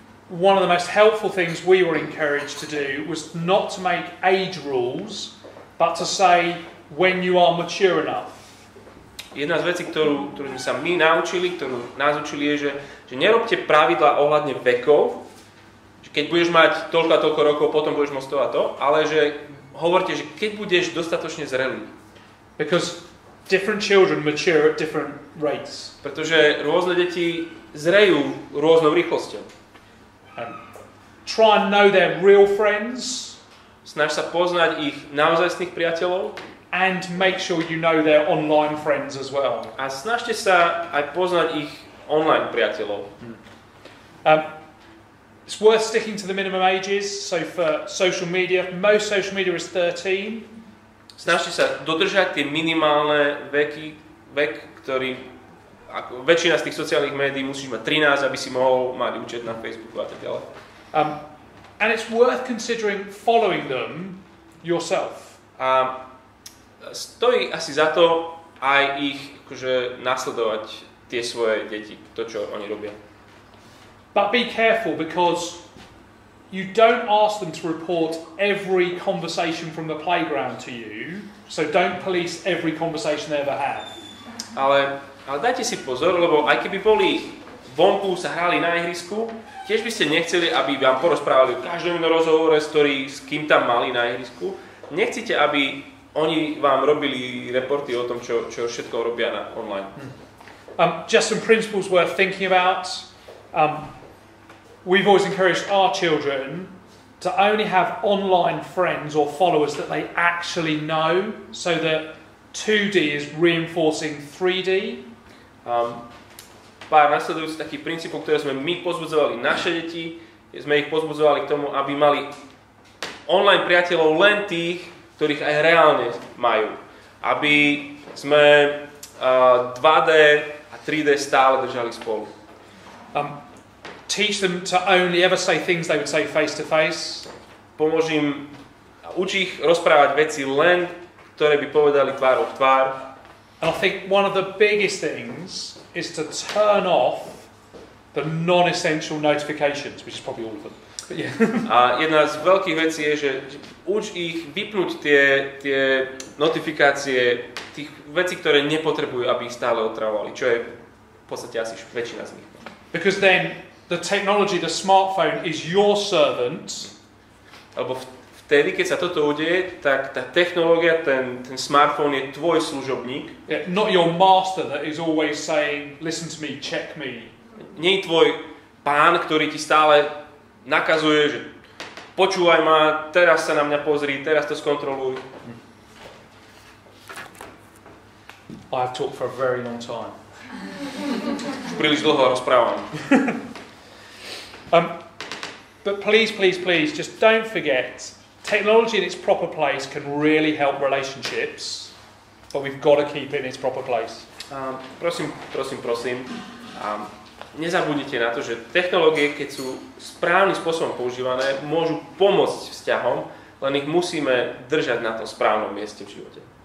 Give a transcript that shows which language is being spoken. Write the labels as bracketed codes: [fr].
[en] One of the most helpful things we were encouraged to do was not to make age rules, but to say when you are mature enough. [sk] Jedna z vecí, ktorú sme sa my naučili, ktorú nás učili, je, že nerobte pravidlá ohľadne vekov, že keď budeš mať toľko a toľko rokov, potom budeš môcť to a to, ale že hovorte, že keď budeš dostatočne zrelý. [en] Because different children mature at different rates. [sk] Pretože rôzne deti zrejú rôznou rýchlosťou. [en] Try and know their real friends. [sk] Snaž sa poznať ich naozajstných priateľov. [en] And make sure you know their online friends as well. [sk] A snažte sa aj poznať ich online priateľov. [en] It's worth sticking to the minimum ages. So for social media, most social media is 13. [sk] Snažte sa dodržať tie minimálne veky, vek, ktorý ako väčšina z tých sociálnych médií musíš mať 13, aby si mohol mať účet na Facebooku a tak ďalej. [en] And it's worth considering following them yourself. [sk] A stojí asi za to aj ich akože nasledovať tie svoje deti, to čo oni robia. [en] But be careful because you don't ask them to report every conversation from the playground to you, so don't police every conversation they ever have. [sk] Ale dajte si pozor, lebo aj keby boli vonku, sa hrali na ihrisku, tiež by ste nechceli, aby vám porozprávali každom jednom rozhovore, ktorý s kým tam mali na ihrisku. Nechcete, aby oni vám robili reporty o tom, čo všetko robia na online. [en] Just some principles worth thinking about. We've always encouraged our children to only have online friends or followers that they actually know, so that 2D is reinforcing 3D. [sk] Pár nasledujúci taký princíp, ktoré sme my pozbudzovali naše deti, sme ich pozbudzovali k tomu, aby mali online priateľov len tých, ktorých aj reálne majú. Aby sme 2D a 3D stále držali spolu. [en] Teach them to only ever say things they would say face to face. [sk] Pomôžim uč ich rozprávať veci len, ktoré by povedali tvár v tvár. [en] And I think one of the biggest things is to turn off the non-essential notifications, which is probably all of them. But yeah. [sk] A jedna z veľkých vecí je, že uč ich vypnúť tie notifikácie, tých vecí, ktoré nepotrebujú, aby ich stále otravovali, čo je v podstate asi väčšina z nich. [en] Because then the technology, the smartphone, is your servant. [sk] Alebo vtedy, keď sa toto udeje, tak tá technológia, ten smartphone je tvoj služobník. [en] Yeah, not your master that is always saying, listen to me, check me. [sk] Nie tvoj pán, ktorý ti stále nakazuje, že počúvaj ma, teraz sa na mňa pozri, teraz to skontroluj. [en] I have talked for a very long time. [sk] Už príliš dlho rozprávam. [en] But please, just don't forget, technology in its proper place can really help relationships, but we've got to keep it in its proper place. [sk] Prosím, nezabudnite na to, že technológie, keď sú správnym spôsobom používané, môžu pomôcť vzťahom, len ich musíme držať na tom správnom mieste v živote.